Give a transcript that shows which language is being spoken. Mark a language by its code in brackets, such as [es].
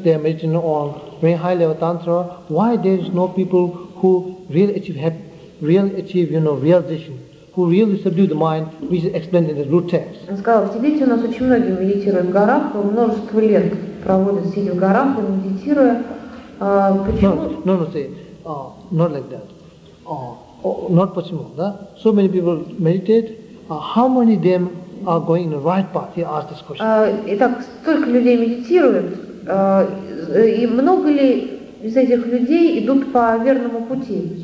[en] They are meditating on very high level tantra. Why there is no people who really achieve realization? Who really subdue the mind, which is explained in the root text. [ru] Он сказал, в Тибете у нас очень многие медитируют в горах, множество лет проводят, сидя в горах и медитируя. Почему? [en] Not like that. Not [ru] почему, да? [en] So many people meditate. How many of them are going in the right path? He asked this question. [ru] Итак, столько людей медитируют, и много ли из этих людей идут по верному пути?